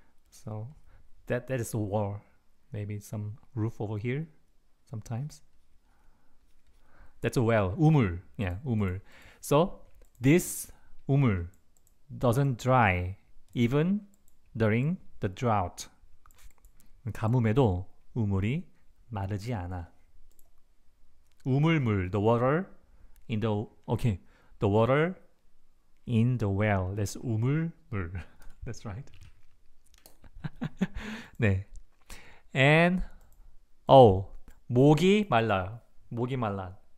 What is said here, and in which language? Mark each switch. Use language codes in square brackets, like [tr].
[en] So that is a wall, maybe some roof over here sometimes. That's a well. 우물. Yeah, 우물. So this 우물 doesn't dry even during the drought. [ko] 가뭄에도 우물이 마르지 않아. [en] 우물물, the water in the, okay, the water in the well. That's 우물물. That's right. [ko] 네. And, oh, 목이 말라. 목이 말라.